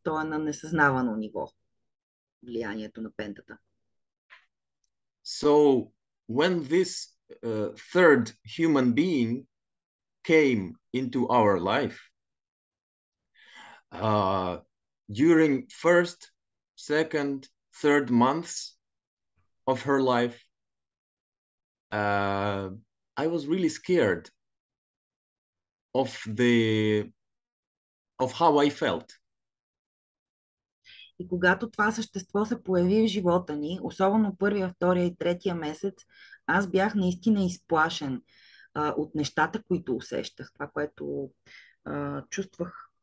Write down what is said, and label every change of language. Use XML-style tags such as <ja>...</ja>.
<bg>То е на несъзнавано ниво влиянието на пентата.</bg> <en>So, when this third human being came into our life, during first, second, third months of her life, I was really scared of how I felt.</en> <bg>И когато това същество се появи в живота ни, особено първия, втория и третия месец, аз бях наистина изплашен от нещата, които усещах, това, което чувствах.</bg>